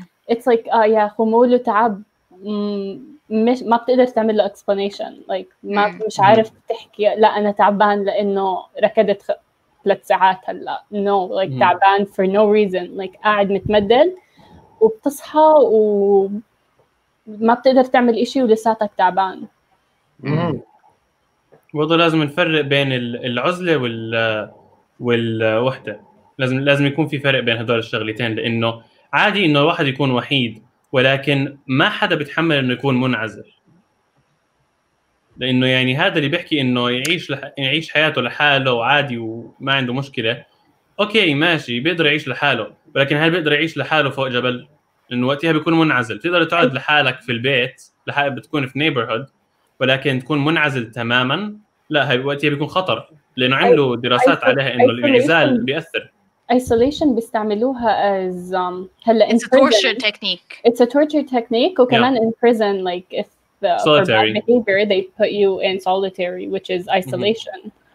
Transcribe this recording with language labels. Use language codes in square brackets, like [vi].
[en] It's like yeah, خمول وتعب. [ar] مش ما بتقدر تعمل له explanation. Like ما مش عارف تحكي لا أنا تعبان لأنه ركضت ثلاث ساعات هلا. [en] No, like تعبان for no reason. [ar] Like قاعد متمدد وبتصحى وما بتقدر تعمل إشي ولساتك تعبان. برضه لازم نفرق بين العزلة والوحدة. لازم يكون في فرق بين هذول الشغلتين، لأنه عادي إنه واحد يكون وحيد، ولكن ما حدا بتحمل إنه يكون منعزل، لأنه يعني هذا اللي بيحكي إنه يعيش حياته لحاله وعادي وما عنده مشكلة. أوكي ماشي بيقدر يعيش لحاله، ولكن هل بيقدر يعيش لحاله فوق جبل؟ إنه وقتها بيكون منعزل. تقدر تقعد لحالك في البيت، لحالك بتكون في neighborhood، ولكن تكون منعزل تماما لا، هاي وقتها بيكون خطر، لانه عملوا دراسات عليها انه الانعزال بياثر. isolation بيستعملوها as هلا [en] it's a torture technique. It's a torture technique. وكمان in prison like if solitary behavior they put you in solitary which is isolation.